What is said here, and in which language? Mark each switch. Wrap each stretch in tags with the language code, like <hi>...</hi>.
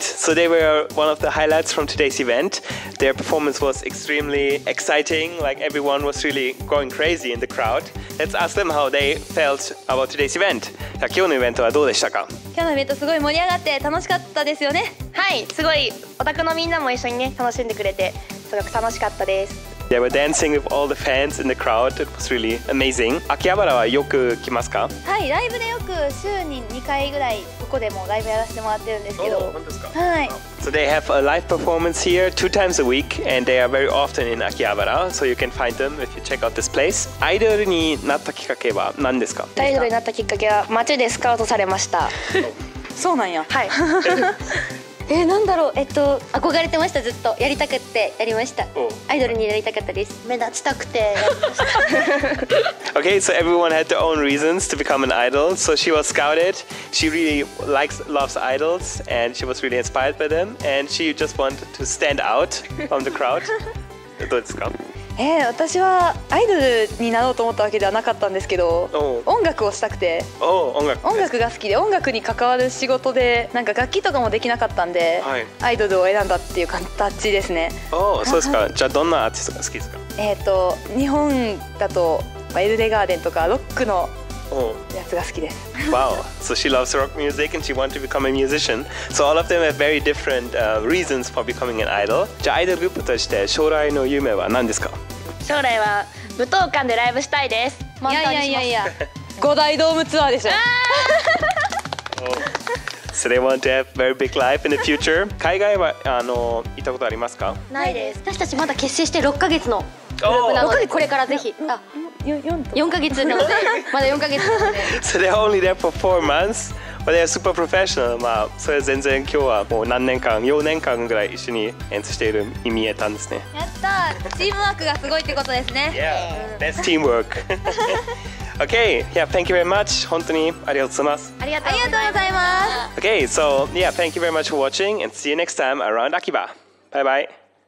<en>So they were one of the highlights from today's event. Their performance was extremely exciting, like everyone was really going crazy in the crowd. Let's ask them how they felt about today's event.</en> <ja>今日のイベントはどうでしたか？今日のイベントすごい盛り上がって楽しかったですよね。はい、すごいオタクのみんなも一緒にね、楽しんでくれてすごく楽しかったです。</ja> <en>They were dancing with all the fans in the crowd. It was really amazing.</en> <ja>秋葉原はよく来ますか？はい、ライブでよく週に2回ぐらいここでもライブやらせてもらってるんですけど。 Oh, 本当ですか？はい。</ja> <en>So they have a live performance here 2 times a week, and they are very often in Akihabara. So you can find them if you check out this place.</en> <ja>アイドルになったきっかけは何ですか？アイドルになったきっかけは街でスカウトされました。そうなんや。はい。なんだろう、憧れてました、ずっとやりたくってやりました。アイドルになりたかったです。目立ちたくてやりました。</ja> <en>Okay, so everyone had their own reasons to become an idol. So she was scouted. She really loves idols, and she was really inspired by them. And she just wanted to stand out from the crowd.</en> <ja>どうですか？私はアイドルになろうと思ったわけではなかったんですけど、音楽をしたくて、音楽が好きで、音楽に関わる仕事で、なんか楽器とかもできなかったんで、アイドルを選んだっていう形ですね。おお、そうですか。じゃあどんなアーティストが好きですか？日本だとエルデガーデンとかロックのやつが好きです。</ja> <en>Wow, so she loves rock music and she wants to become a musician. So all of them have very different reasons for becoming an idol.</en> <ja>じゃあアイドルグループとして将来の夢は何ですか？将来は武道館でライブしたいです。いやいやいやいや、五大ドームツアーでしょ。</ja> <en>So they want to have very big life in the future.</en> <ja>海外は行ったことありますか？ないです。私たちまだ結成して6ヶ月のグループなので、これからぜひ。</ja> <en>So they're only there for 4 months, but they're super professional.</en> <ja>まあ、それ全然今日はもう何年間、4年間ぐらい一緒に演奏している意味えたんですね。やった、チームワークがすごいってことですね。</ja> <en>Yeah, that's teamwork. Okay, yeah, thank you very much.</en> <ja>本当にありがとうございます。ありがとうございます。</ja> <en>Okay, so yeah, thank you very much for watching, and see you next time around Akiba. Bye bye.</en>